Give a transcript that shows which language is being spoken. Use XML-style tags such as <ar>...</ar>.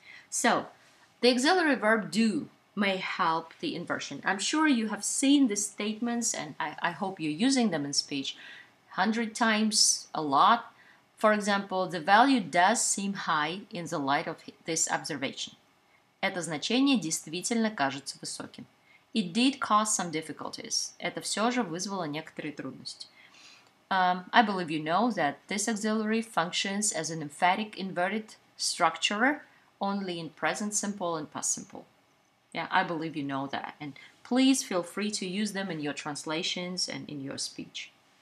<en>So, the auxiliary verb do may help the inversion. I'm sure you have seen the statements and I hope you're using them in speech 100 times a lot. For example, the value does seem high in the light of this observation.</en> <ru>Это значение действительно кажется высоким.</ru> <en>It did cause some difficulties.</en> <ru>Это все же вызвало некоторые трудности.</ru> <en>I believe you know that this auxiliary functions as an emphatic inverted structure only in present simple and past simple. Yeah, I believe you know that. And please feel free to use them in your translations and in your speech.</en>